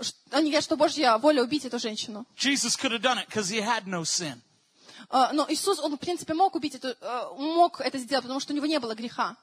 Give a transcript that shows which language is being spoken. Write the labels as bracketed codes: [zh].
[ru] Они говорят, что Божья воля убить эту женщину. [en] Jesus could have done it because he had no sin. [ru] Но Иисус, он в принципе мог убить эту, мог это сделать, потому что у него не было греха.